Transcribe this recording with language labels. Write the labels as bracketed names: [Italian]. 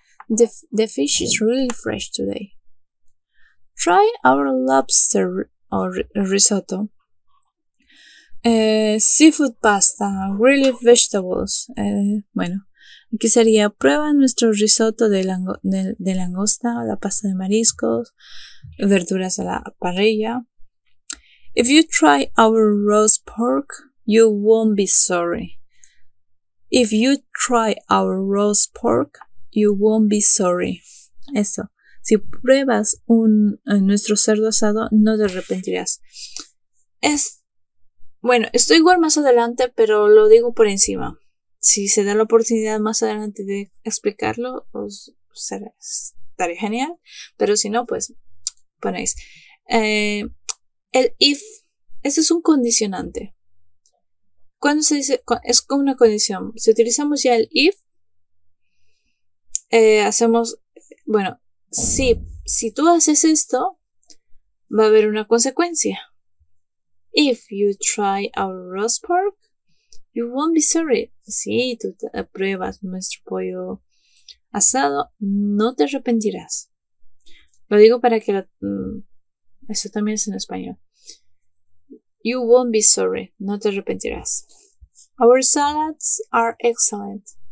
[English] The fish is really fresh today. Try our lobster risotto. Seafood pasta, grilled vegetables. [Spanish] Bueno, aquí sería, prueba nuestro risotto de langosta, la pasta de mariscos, verduras a la parrilla. [English] If you try our roast pork, you won't be sorry. If you try our roast pork, you won't be sorry. [Spanish] Eso. Si pruebas nuestro cerdo asado, no te arrepentirás. Bueno, estoy igual más adelante, pero lo digo por encima. Si se da la oportunidad más adelante de explicarlo, estaría genial. Pero si no, pues ponéis. El if. Ese es un condicionante. Cuando se dice, es como una condición. Si utilizamos ya el if, hacemos, bueno, si tú haces esto, va a haber una consecuencia. [English] If you try our roast pork, you won't be sorry. [Spanish] Si tú pruebas nuestro pollo asado, no te arrepentirás. Lo digo para que eso también es en español. [English] You won't be sorry. [Spanish] No te arrepentirás. [English] Our salads are excellent.